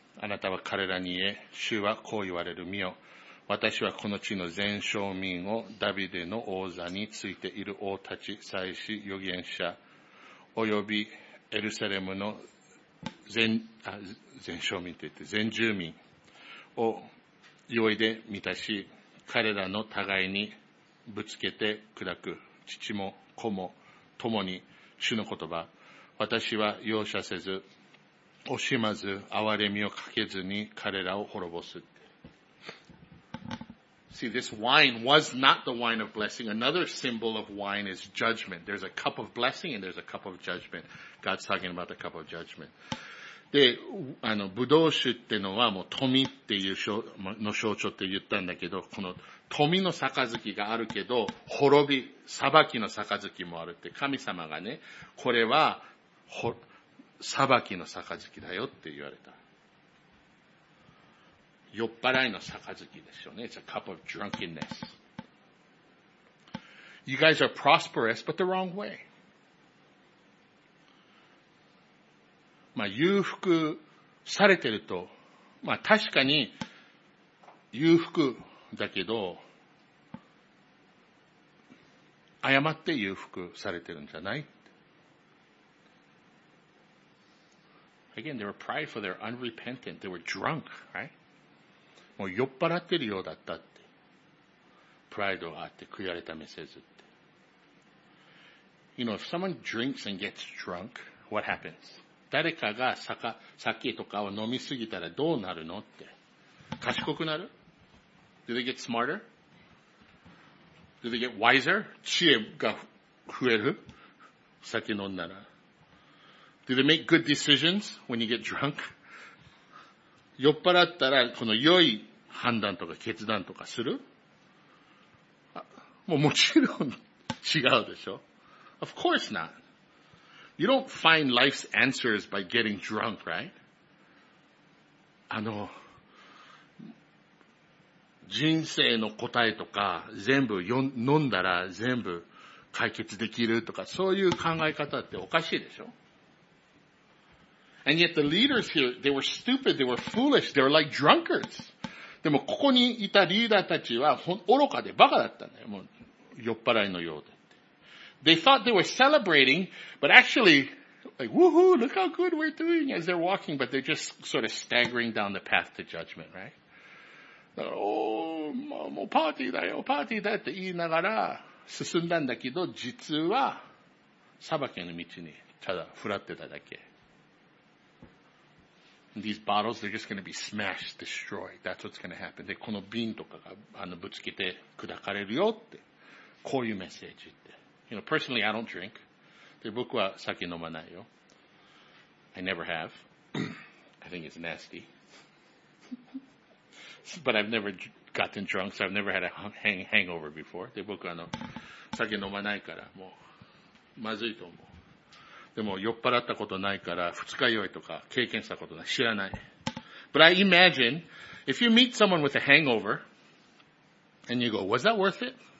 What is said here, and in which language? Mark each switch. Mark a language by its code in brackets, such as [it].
[ja] あなたは彼らに言え、主はこう言われる、見よ。私はこの地の全商民をダビデの王座についている王たち、祭司、預言者、およびエルサレムの全商民と言って、全住民を酔いで満たし、彼らの互いにぶつけて砕く。父も子も共に主の言葉。私は容赦せず、惜しまず、憐れみをかけずに彼らを滅ぼす。 [en] See, this wine was not the wine of blessing. Another symbol of wine is judgment. There's a cup of blessing and there's a cup of judgment. God's talking about the cup of judgment. [ja] で、ブドウ酒ってのはもう富っていうの象徴って言ったんだけど、この富の杯があるけど、滅び、裁きの杯もあるって、神様がね、これは、裁きの杯だよって言われた。酔っ払いの杯ですよね。 [en] It's a cup of drunkenness. You guys are prosperous, but the wrong way. [ja] まあ、裕福されてると、まあ、確かに裕福だけど、誤って裕福されてるんじゃない [en] ?Again, they were prideful, they were unrepentant, they were drunk, right? [ja] もう酔っ払ってるようだったって。プライドがあって悔い改めせずって。 [en] You know, if someone drinks and gets drunk, what happens? [ja] 誰かが酒とかを飲みすぎたらどうなるのって。賢くなる? [en] Do they get smarter? Do they get wiser? [ja] 知恵が増える?酒飲んだら。 [en] Do they make good decisions when you get drunk? [ja] 酔っ払ったら、この良い判断とか決断とかする? あ、もうもちろん違うでしょ? [en] Of course not. You don't find life's answers by getting drunk, right? [ja] 人生の答えとか全部飲んだら全部解決できるとか、そういう考え方っておかしいでしょ? [en] And yet the leaders here, they were stupid, they were foolish, they were like drunkards. [ja] でもここにいたリーダーたちは愚かでバカだったんだよ。もう酔っ払いのようだって。 [en] They thought they were celebrating, but actually, like, woohoo, look how good we're doing as they're walking, but they're just sort of staggering down the path to judgment, right? [ja] Oh, もうパーティーだよ、パーティーだって言いながら進んだんだけど、実は裁きの道にただふらってただけ。 [en] These bottles, they're just going to be smashed, destroyed. That's what's going to happen. [ja] で、この瓶とかがぶつけて砕かれるよって。こういうメッセージって。 [en] You know, personally, I don't drink. [ja] で、僕は酒飲まないよ。 [en] I never have. I think it's nasty. But I've never gotten drunk, so I've never had a hangover before. [ja] で、僕は酒飲まないから、もう、まずいと思う。でも酔っ払ったことないから二日酔いとか経験したことない。知らない。 [en] But I imagine, if you meet someone with a hangover, and you go, was that worth it?